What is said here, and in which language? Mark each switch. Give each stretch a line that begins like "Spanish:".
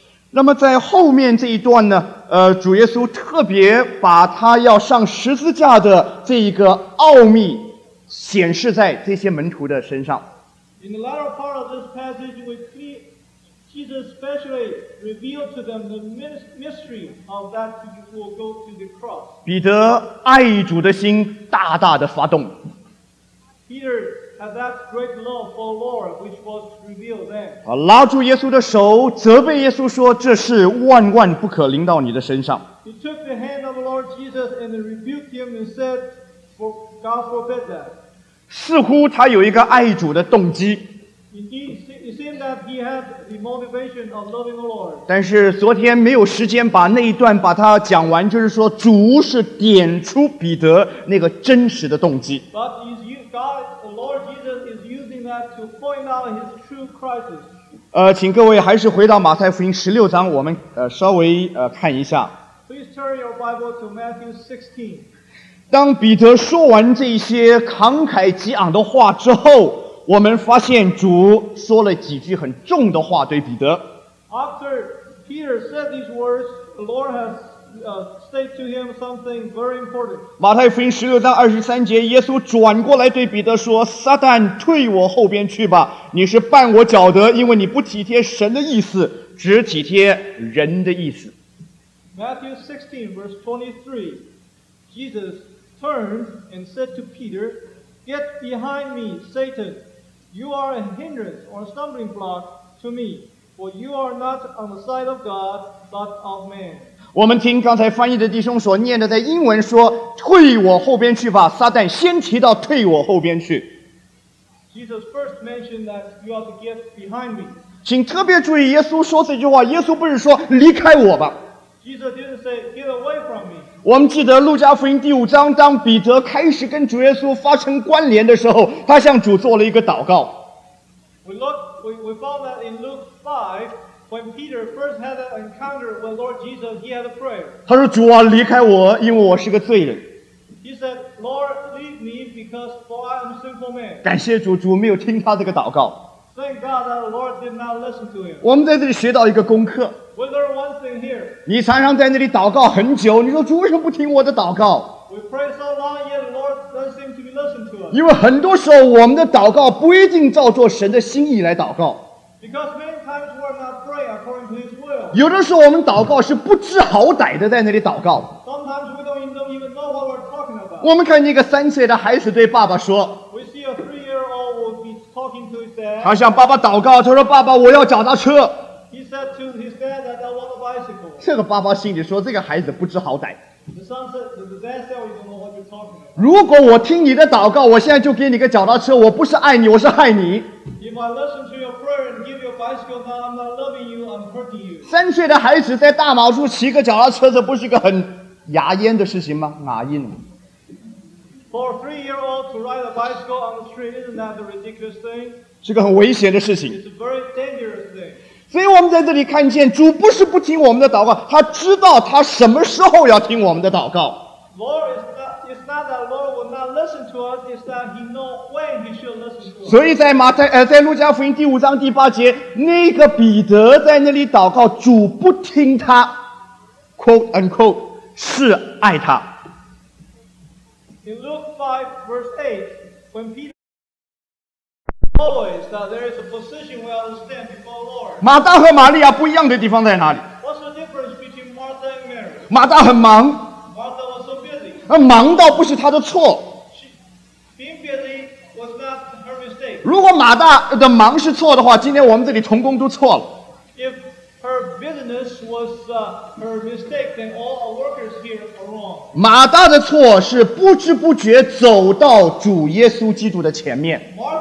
Chinese: 那么在后面这一段呢，主耶稣特别把他要上十字架的这一个奥秘显示在这些门徒的身上。
English: In the latter part of this passage, we see Jesus specially revealed to them the mystery of that who will go to the cross.
Chinese: 彼得爱主的心大大的发动。
English: Peter had that great love for the Lord which was revealed then.
Chinese: 拉住耶稣的手，责备耶稣说：“这事万万不可临到你的身上。”
English: He took the hand of the Lord Jesus and rebuked him and said, "For God forbid that."
Chinese: 似乎他有一个爱主的动机。
English: Indeed, it seemed that he had the motivation of loving the Lord.
Chinese: 但是昨天没有时间把那一段把它讲完，就是说主是点出彼得那个真实的动机。
English: But the Lord Jesus is using that to point out his true crisis.
Chinese: 请各位还是回到马太福音十六章，我们稍微看一下。
English: Please turn your Bible to Matthew 16.
Chinese: 当彼得说完这些慷慨激昂的话之后，我们发现主说了几句很重的话对彼得。
English: After Peter said these words, the Lord has said to him something very important.
Chinese: 马太福音十六章二十三节，耶稣转过来对彼得说：“撒旦，退我后边去吧！你是绊我脚的，因为你不体贴神的意思，只体贴人的意思。”
English: Matthew 16 verse 23, Jesus turned and said to Peter, "Get behind me, Satan! You are a hindrance or a stumbling block to me, for you are not on the side of God but of man."
Chinese: 我们听刚才翻译的弟兄所念的，在英文说：“退我后边去吧，撒旦！” 先提到退我后边去。
English: Jesus first mentioned that you are to get behind me.
Chinese: 请特别注意，耶稣说这句话，耶稣不是说离开我吧。
English: Jesus didn't say get away from me.
Chinese: 我们记得路加福音第五章，当彼得开始跟主耶稣发生关联的时候，他向主做了一个祷告。
English: We found that in Luke 5, when Peter first had an encounter with Lord Jesus, he had a prayer.
Chinese: 他说：“主啊，离开我，因为我是个罪人。”
English: He said, "Lord, leave me, because for I am a sinful man."
Chinese: 感谢主，主没有听他这个祷告。
English: Thank God that the Lord did not listen to him.
Chinese: 我们在这里学到一个功课。
English: We learn one thing here.
Chinese: 你常常在那里祷告很久，你说主为什么不听我的祷告？
English: We pray so long, yet the Lord doesn't seem to be listening to us.
Chinese: 因为很多时候我们的祷告不一定照着神的心意来祷告。
English: Because many times we are not praying according to His will.
Chinese: 有的时候我们祷告是不知好歹的在那里祷告。
English: Sometimes we don't even know what we're talking about.
Chinese: 我们看见一个三岁的孩子对爸爸说。
English: We see a three-year-old will be talking to his dad.
Chinese: 他向爸爸祷告，他说：“爸爸，我要脚踏车。”
English: He said to his dad that I want a bicycle.
Chinese: 这个爸爸心里说：“这个孩子不知好歹。”
English: The son said, "The dad said, 'You don't know what you're talking about.'"
Chinese: 如果我听你的祷告，我现在就给你个脚踏车。我不是爱你，我是害你。
English: If I listen to your prayer and give you a bicycle, now I'm not loving you, I'm hurting you.
Chinese: 三岁的孩子在大马路骑个脚踏车，这不是一个很牙烟的事情吗？牙烟。
English: For a three-year-old to ride a bicycle on the street, isn't that a ridiculous thing?
Chinese: 是个很危险的事情。
English: It's a very dangerous thing.
Chinese: 所以我们在这里看见主不是不听我们的祷告，他知道他什么时候要听我们的祷告。
English: Lord is not, it's not that Lord will not listen to us, it's that he knows when he should listen to us.
Chinese: 所以在马太在路加福音第五章第八节，那个彼得在那里祷告，主不听他 ，
English: quote unquote
Chinese: 是爱他。
English: In Luke 5 verse 8, when Peter always that there is a position we understand before Lord.
Chinese: 马大和玛利亚不一样的地方在哪里
English: ？What's the difference between Martha and Mary?
Chinese: 马大很忙。
English: Martha was so busy.
Chinese: 那忙倒不是他的错。
English: Being busy was not her mistake.
Chinese: 如果马大的忙是错的话，今天我们这里同工都错了。
English: If her business was her mistake, then all our workers here are wrong.
Chinese: 马大的错是不知不觉走到主耶稣基督的前面。